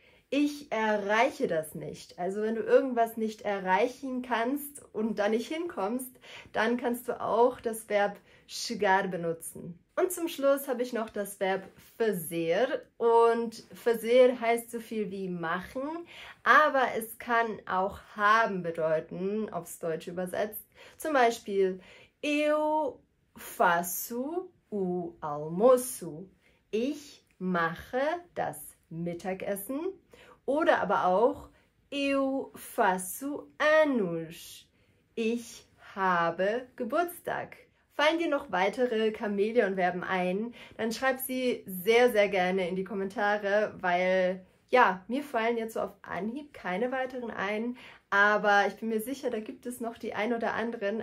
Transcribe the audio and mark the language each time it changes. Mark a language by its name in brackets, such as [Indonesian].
[German] Ich erreiche das nicht. Also wenn du irgendwas nicht erreichen kannst und da nicht hinkommst, dann kannst du auch das Verb chegar benutzen. Und zum Schluss habe ich noch das Verb fazer. Und fazer heißt so viel wie machen, aber es kann auch haben bedeuten, aufs Deutsch übersetzt. Zum Beispiel, [Portuguese] eu faço o almoço. [German] Ich mache das Mittagessen. Oder aber auch, [Portuguese] eu faço anos. [German] Ich habe Geburtstag. Fallen dir noch weitere Chamäleon-Verben ein, dann schreib sie sehr, sehr gerne in die Kommentare, weil ja, mir fallen jetzt so auf Anhieb keine weiteren ein, aber ich bin mir sicher, da gibt es noch die ein oder anderen.